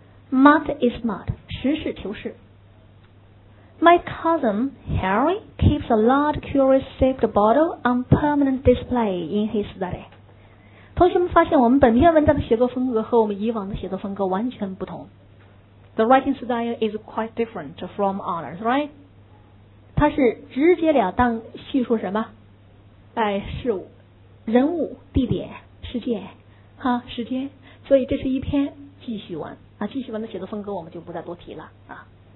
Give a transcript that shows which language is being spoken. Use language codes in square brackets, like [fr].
[en] Mud is mud， [zh] 实事求是。 [en] My cousin Harry keeps a large curious shaped bottle on permanent display in his study。 [zh] 同学们发现我们本篇文章的写作风格和我们以往的写作风格完全不同。 [en] The writing style is quite different from others, right? [zh] 它是直截了当叙述什么？哎，事物、人物、地点、事件，哈，时间。所以这是一篇记叙文。啊，继续文的写作风格我们就不再多提了啊。